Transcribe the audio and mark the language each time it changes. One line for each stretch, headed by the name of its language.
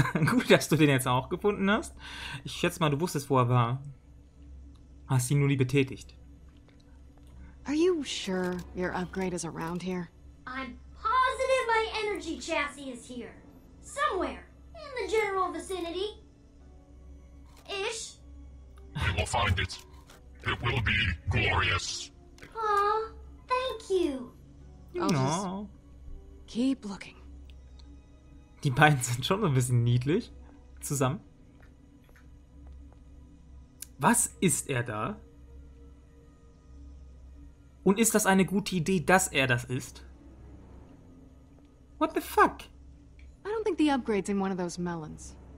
German: Gut, dass du den jetzt auch gefunden hast. Ich schätze mal, du wusstest, wo er war. Hast ihn nur nie betätigt.
English: Are you sure your upgrade is around here? I'm positive my energy chassis is here. Somewhere in the general vicinity. Ish. You will find it. It will be glorious. Aw, thank you. No. Keep looking.
German: Die beiden sind schon ein bisschen niedlich. Zusammen. Was ist er da? Und ist das eine gute Idee, dass er das ist?
English: What the fuck? I don't think the upgrade's in one of those melons.